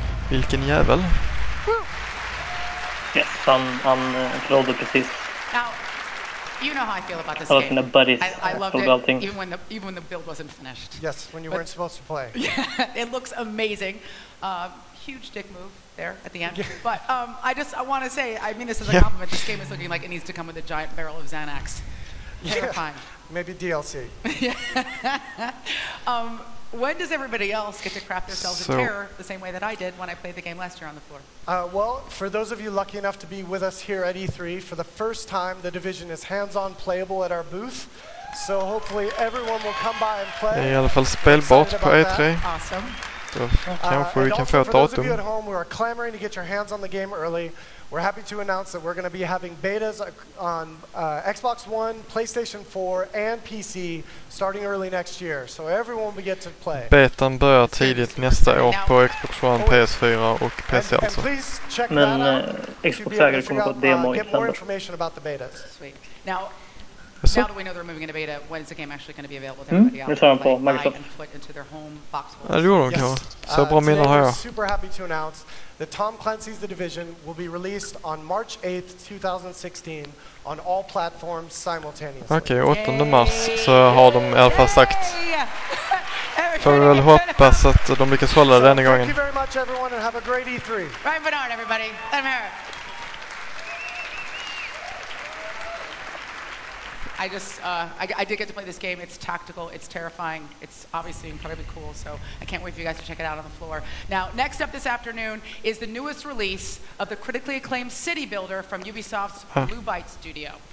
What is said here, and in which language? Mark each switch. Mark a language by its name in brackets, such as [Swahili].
[Swedish] Vilken jävel. Yes, han förlorade precis. [English] Now, you know how I feel about this game. [Swedish] Sina [English] buddies, I loved it, even when the build wasn't finished. Yes, when you weren't supposed to play. Yeah, it looks amazing. Huge dick move there at the end. Yeah. But I want to say, I mean this as a compliment, this game is looking like it needs to come with a giant barrel of Xanax. Fine. Maybe DLC. When does everybody else get to craft themselves in terror the same way that I did when I played the game last year on the floor? Well, for those of you lucky enough to be with us here at E3, for the first time, the Division is hands-on playable at our booth. So hopefully everyone will come by and play. [Swedish] I alla fall spelbart på E3. [English] Awesome. For those of you at home who are clamoring to get your hands on the game early, we're happy to announce that we're going to be having betas on Xbox One, PlayStation 4, and PC starting early next year. So everyone will get to play. [Swedish] Betan börjar tidigt nästa år på Xbox One, PS4 och PC [English] alltså. And please check that out if you Now that we know they're moving into beta, when is the game actually going to be available to everybody else? Mm-hmm. Like, buy and put into their home box. We're super happy to announce that Tom Clancy's The Division will be released on March 8th, 2016 on all platforms simultaneously. [Swedish] Okay, 8 mars så har de i alla fall sagt. Får vi väl hoppas att de lyckas hålla det denna gången. [English] Thank you very much everyone and have a great E3. Ryan Bernard everybody. I'm here. I did get to play this game. It's tactical. It's terrifying. It's obviously incredibly cool. So I can't wait for you guys to check it out on the floor. Now, next up this afternoon is the newest release of the critically acclaimed City Builder from Ubisoft's Blue Byte Studio.